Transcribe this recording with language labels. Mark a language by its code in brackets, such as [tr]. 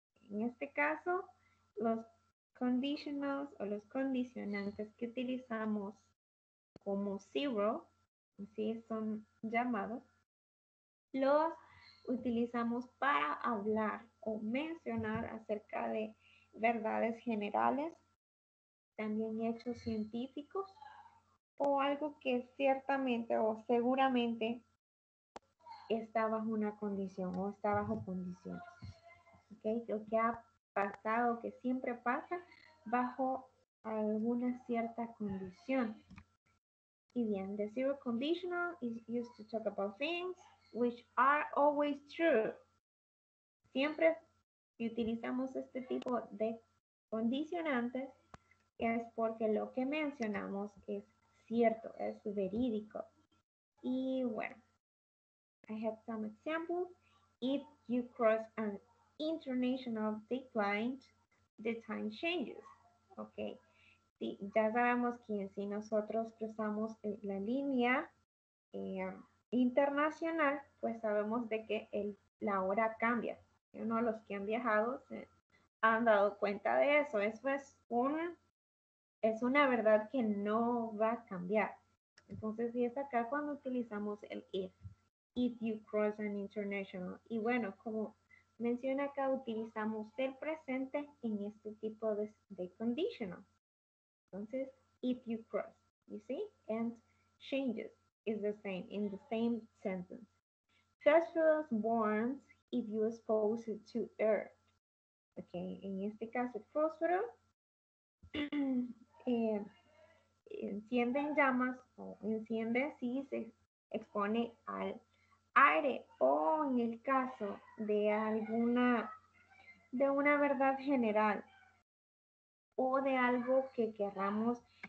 [es] En este caso, los conditionals o los condicionantes que utilizamos como zero, así son llamados, los utilizamos para hablar o mencionar acerca de verdades generales, también hechos científicos, o algo que ciertamente o seguramente está bajo una condición o está bajo condiciones. ¿Okay? Lo que ha pasado, que siempre pasa, bajo alguna cierta condición. Y bien, [en] the zero conditional is used to talk about things which are always true. [es] Siempre utilizamos este tipo de condicionantes es porque lo que mencionamos es cierto, es verídico. Y bueno, [en] I have some examples. If you cross an international deadline, the time changes. Ok. [es] Sí, ya sabemos que si nosotros cruzamos la línea internacional, pues sabemos de que la hora cambia. Uno de los que han viajado se han dado cuenta de eso. Eso es una verdad que no va a cambiar. Entonces, sí es acá cuando utilizamos el if. [en] If you cross an international. [es] Y bueno, como menciona acá, utilizamos el presente en este tipo de conditional. [en] Entonces, if you cross, you see? And changes is the same, in the same sentence. Phosphorus burns if you expose it to air. [es] Ok, en este caso, fósforo enciende en llamas, o enciende si se expone al aire, o en el caso de una verdad general, o de algo que querramos